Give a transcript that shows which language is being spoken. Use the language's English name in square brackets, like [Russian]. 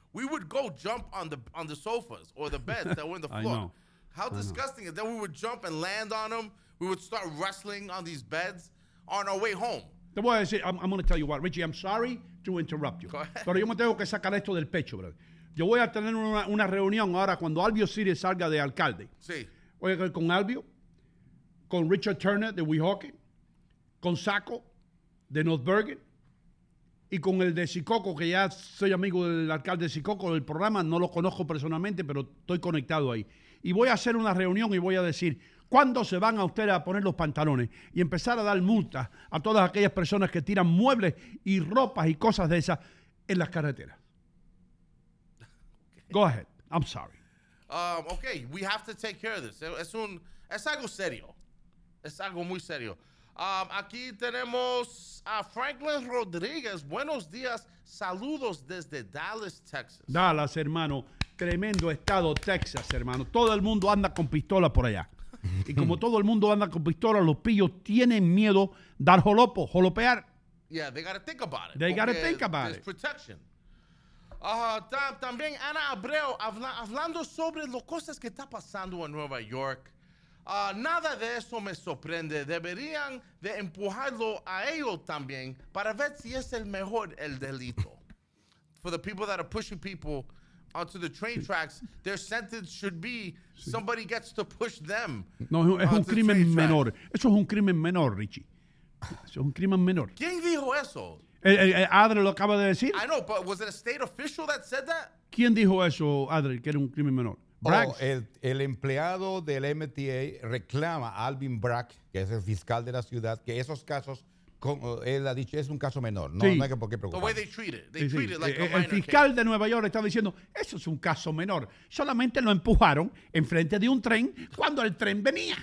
[English] We would go jump on the sofas or the beds that were in the floor. I know. How disgusting. And then we would jump and land on them. We would start wrestling on these beds on our way home. The way I say, I'm going to tell you what, Richie, I'm sorry to interrupt you. Go ahead. [Spanish] Pero yo me tengo que sacar esto del pecho, brother. Yo voy a tener una reunión ahora cuando Alvio Siri salga de alcalde. Sí. Voy a ir con Alvio, con Richard Turner de Weehawken, con Saco de North Bergen y con el de Sicoco, que ya soy amigo del alcalde de Sicoco. El programa no lo conozco personalmente, pero estoy conectado ahí. Y voy a hacer una reunión y voy a decir... ¿Cuándo se van a ustedes a poner los pantalones y empezar a dar multas a todas aquellas personas que tiran muebles y ropas y cosas de esas en las carreteras? [English] Okay. Go ahead. I'm sorry. Okay, we have to take care of this. [Spanish] Es algo serio. Es algo muy serio. Aquí tenemos a Franklin Rodríguez. Buenos días. Saludos desde Dallas, Texas. Dallas, hermano. Tremendo estado, Texas, hermano. Todo el mundo anda con pistola por allá. Y como todo el mundo anda con pistola, los pillos tienen miedo dar jolopo, jolopear. [English] Yeah, they gotta think about it. They gotta think about it. There's protection. [Spanish] También Ana Abreu, hablando sobre las cosas que está pasando en Nueva York. Nada de eso me sorprende. Deberían de empujarlo a ellos también para ver si es el mejor el delito. [English] For the people that are pushing people onto the train tracks, their sentence should be somebody gets to push them. [Spanish] No, es un crimen menor. Eso es un crimen menor, Richie. Eso es un crimen menor. ¿Quién dijo eso? Adriel lo acaba de decir. [English] I know, but was it a state official that said that? [Spanish] ¿Quién dijo eso, Adriel, que era un crimen menor? Brax. Oh, el empleado del MTA reclama a Alvin Brack, que es el fiscal de la ciudad, que esos casos... él ha dicho, es un caso menor, no, sí. No hay por qué preocuparse. [English] The way they treat it, like [Spanish] el fiscal [English] case. [Spanish] De Nueva York está diciendo, eso es un caso menor, solamente lo empujaron enfrente de un tren cuando el tren venía.